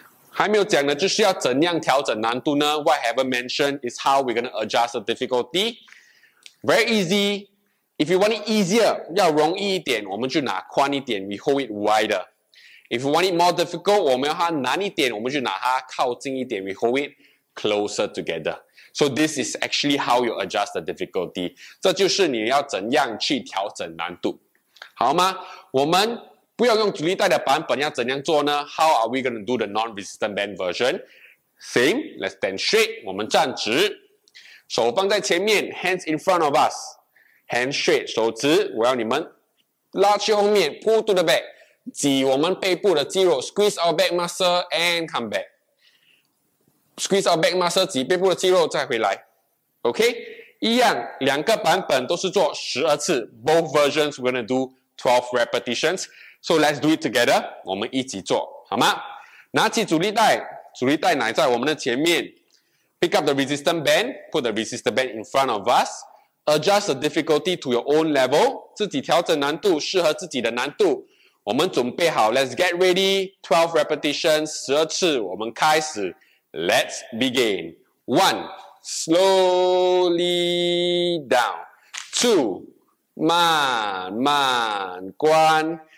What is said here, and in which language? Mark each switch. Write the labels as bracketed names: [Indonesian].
[Chinese] 还没有讲的就是要怎样调整难度呢 [English] What I haven't mentioned is how we're going to adjust the difficulty. Very easy. If you want it easier, [Chinese] 要容易一点我们就拿宽一点 [English] We hold it wider. If you want it more difficult, [Chinese] 我们要它难一点我们就拿它靠近一点 [English] We hold it closer together. So this is actually how you adjust the difficulty. [Chinese] 这就是你要怎样去调整难度。好吗我们不要用阻力带的版本要怎样做呢 [English] How are we going to do the non-resistant band version? Same, let's stand straight, [Chinese] 我们站直手放在前面 [English] hands in front of us hands straight, [Chinese] 手直我要你们拉去后面 [English] pull to the back [Chinese] 挤我们背部的肌肉 [English] squeeze our back muscle and come back squeeze our back muscle [Chinese] 挤背部的肌肉再回来 [English] OK, [Chinese] 一样两个版本都是做12次 [English] both versions we're going to do 12 repetitionsSo let's do it together. [Chinese] 我们一起做，好吗？拿起阻力带，阻力带乃在我们的前面。 [English] Pick up the resistance band, put the resistance band in front of us. Adjust the difficulty to your own level. [Chinese] 自己调整难度，适合自己的难度。我们准备好 [English] ，Let's get ready. 12 repetitions, [Chinese] 12次。我们开始 [English] ，Let's begin. 1, slowly down. [Chinese] 2, 慢慢关。